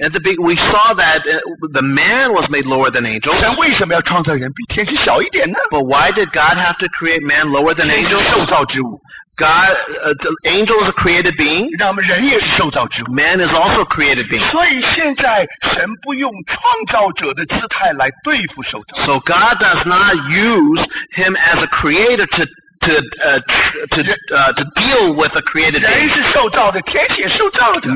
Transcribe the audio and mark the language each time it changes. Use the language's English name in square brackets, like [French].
[English] at the beginning we saw that the man was made lower than angels. [Chinese] 神为什么要创造人比天使小一点呢? [English] But why did God have to create man lower than angels? [Chinese] 受造之物, [English] God, the angel is a created being. Man is also a created being. So God does not use him as a creator to deal with a created being.